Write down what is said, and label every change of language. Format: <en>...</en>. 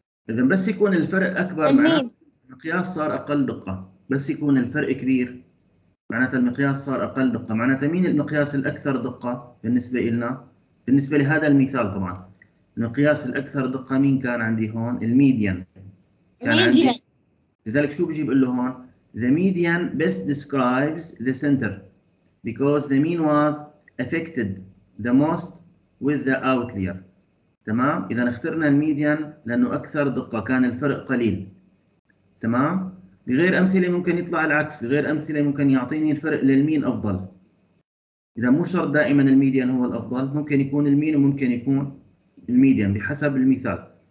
<ar>إذا بس يكون الفرق أكبر معناته المقياس صار أقل دقة. بس يكون الفرق كبير معناته المقياس صار أقل دقة. معناته مين المقياس الأكثر دقة بالنسبة إلنا؟ بالنسبة لهذا المثال طبعا المقياس الأكثر دقة مين كان عندي هون؟ الميديان. لذلك شو بجيب له هون؟</ar> <en>The median best describes the center because the mean was affected the most with the outlier.</en> <ar>تمام؟ إذا اخترنا الميديان لأنه أكثر دقة كان الفرق قليل. تمام؟ بغير أمثلة ممكن يطلع العكس. بغير أمثلة ممكن يعطيني الفرق للمين أفضل. إذا مو شرط دائما الميديان هو الأفضل. ممكن يكون المين وممكن يكون الميديان بحسب المثال.</ar>